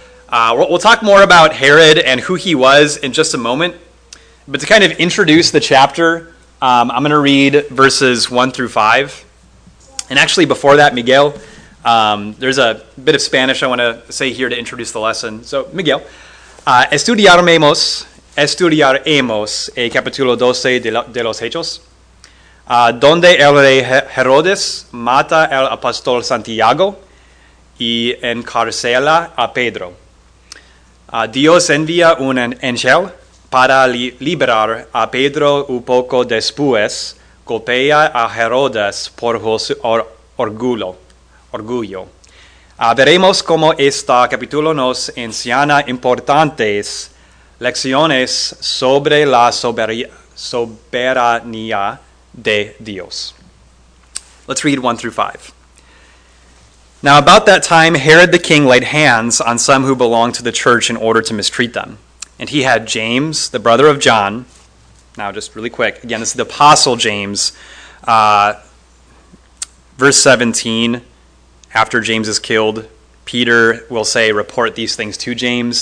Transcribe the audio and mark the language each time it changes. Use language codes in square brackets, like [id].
[en] We'll talk more about Herod and who he was in just a moment, but to kind of introduce the chapter, I'm going to read verses 1 through 5. And actually, before that, Miguel, there's a bit of Spanish I want to say here to introduce the lesson. [es] So, Miguel, estudiaremos el capítulo 12 de los Hechos, donde el rey Herodes mata al apóstol Santiago y encarcela a Pedro. Dios envía un ángel para liberar a Pedro un poco después, golpea a Herodes por su orgullo. Veremos cómo este capítulo nos enseña importantes lecciones sobre la soberanía de Dios. [en] Let's read 1 through 5. Now about that time, Herod the king laid hands on some who belonged to the church in order to mistreat them. And he had James, the brother of John. Now, just really quick. Again, this is the Apostle James. Verse 17, after James is killed, Peter will say, report these things to James.